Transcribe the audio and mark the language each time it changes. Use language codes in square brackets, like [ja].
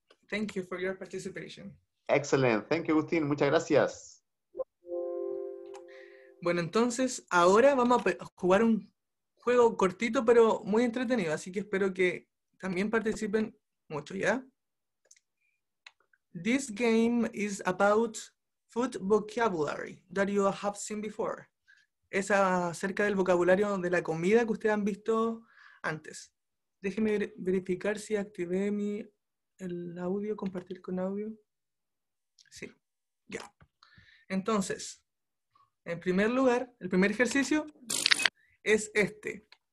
[en] Thank you for your participation. Excellent, thank you, Agustín, [es] muchas gracias. Bueno, entonces, ahora vamos a jugar un juego cortito, pero muy entretenido. Así que espero que también participen mucho, ¿ya? [en] This game is about food vocabulary that you have seen before. [es] Es acerca del vocabulario de la comida que ustedes han visto antes. Déjenme verificar si activé el audio, compartir con audio. Sí, ya. Yeah. Entonces... En primer lugar, el primer ejercicio es este.